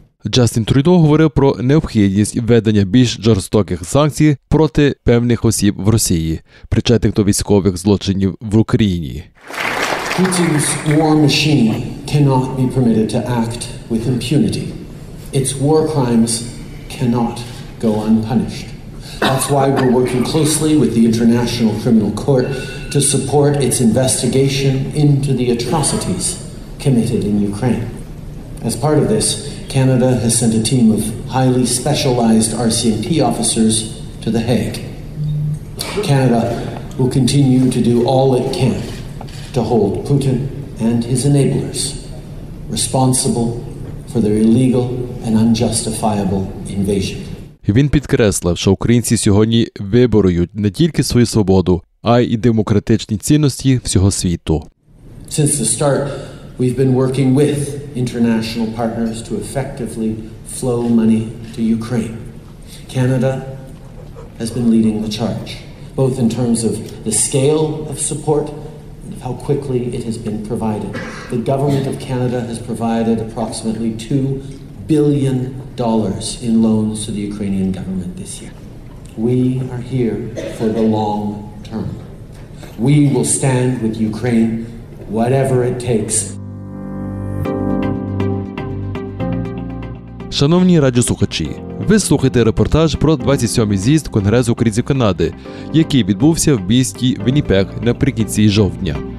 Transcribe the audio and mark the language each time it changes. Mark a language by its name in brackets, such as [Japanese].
[Ukrainian] Джастін Трюдо говорив про необхідність введення більш жорстоких санкцій проти певних осіб в Росії, причетних до військових злочинів в Україні. [English] Putin's war machine cannot be permitted to act with impunity. Its war crimes cannot go unpunished. That's why we're working closely with the International Criminal Court to support its investigation into the atrocities committed in Ukraine. As part of this, Canada has sent a team of highly specialized RCMP officers to The Hague. Canada will continue to do all it can to hold Putin and his enablers responsible for their illegal and unjustifiable invasion. [Ukrainian] Він підкреслив, що українці сьогодні виборують не тільки свою свободу, а й демократичні цінності всього світу. [English] Since the start, we've been working with international partners to effectively flow money to Ukraine. Canada has been leading the charge, both in terms of the scale of support and of how quickly it has been provided. The government of Canada has provided approximately $2 billion in loans to the Ukrainian government this year. We are here for the long term. We will stand with Ukraine, whatever it takes. [Ukrainian] Шановні радіослухачі, ви слухаєте репортаж про 27-й з'їзд Конгресу українців Канади, який відбувся в місті Вінніпег наприкінці жовтня.